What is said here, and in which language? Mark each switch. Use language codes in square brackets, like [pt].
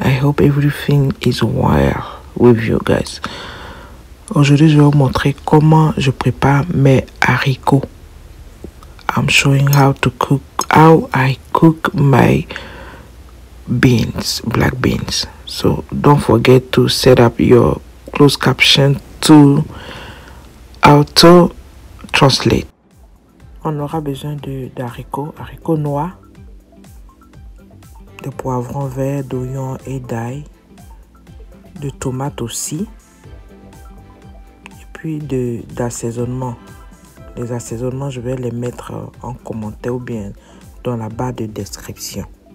[en] I hope everything is well with you guys. [fr] Aujourd'hui, je vais vous montrer comment je prépare mes haricots. [en] I'm showing how I cook my beans, black beans. So don't forget to set up your closed caption to auto translate. [fr] On aura besoin d'haricots noirs, de poivrons verts, d'oignons et d'ail, de tomates aussi, et puis d'assaisonnement. Les assaisonnements, je vais les mettre en commentaire ou bien dans la barre de description.